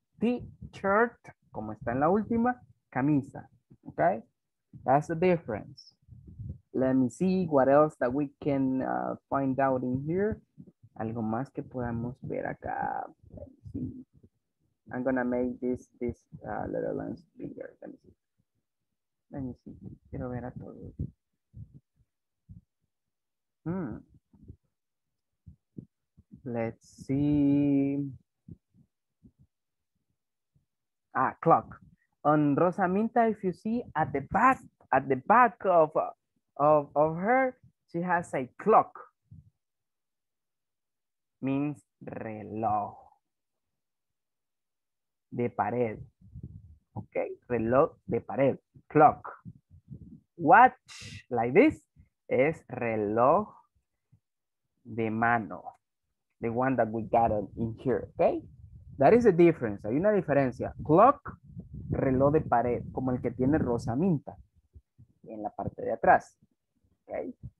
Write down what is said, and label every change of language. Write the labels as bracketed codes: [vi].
[es] T-shirt, como está en la última, camisa. [en] Ok, that's the difference. Let me see what else that we can find out in here. [es] Algo más que podamos ver acá. [en] Let me see. I'm gonna make this little lens bigger. Let me see. Let me see. [es] Quiero ver a todos. [en] Let's see. Ah, clock. On Rosaminta, if you see at the back of her, she has a clock. Means [es] reloj de pared. Okay, reloj de pared, clock. [en] Watch, like this, [es] es reloj de mano. [en] The one that we got in here, okay? That is the difference, [es] hay una diferencia. Clock, reloj de pared, como el que tiene Rosaminta en la parte de atrás, okay?